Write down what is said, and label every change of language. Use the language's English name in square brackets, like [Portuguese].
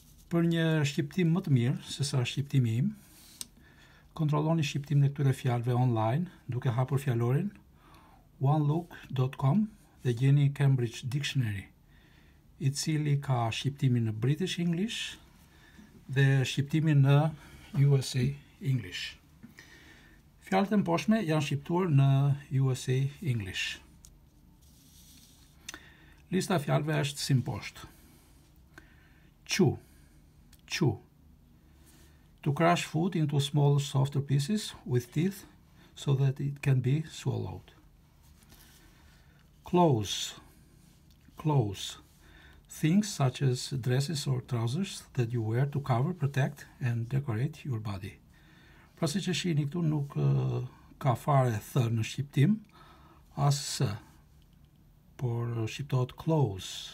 [Albanian] Për një shqiptim më të mirë se sa shqiptimi im, kontrolloni shqiptimin e këtyre fjalëve online duke hapur fjalorin onelook.com dhe gjeni Cambridge Dictionary, i cili ka shqiptimin në British English dhe shqiptimin në USA English. Fjalët e mposhme janë shqiptuar në USA English. Lista fjalëve është si mposht. [English] Chew. To crush food into small, softer pieces with teeth so that it can be swallowed. Clothes. Things such as dresses or trousers that you wear to cover, protect and decorate your body. [Albanian] Pra si që shihni këtu nuk ka fare thë në shqiptim, asë, por shqiptohet clothes.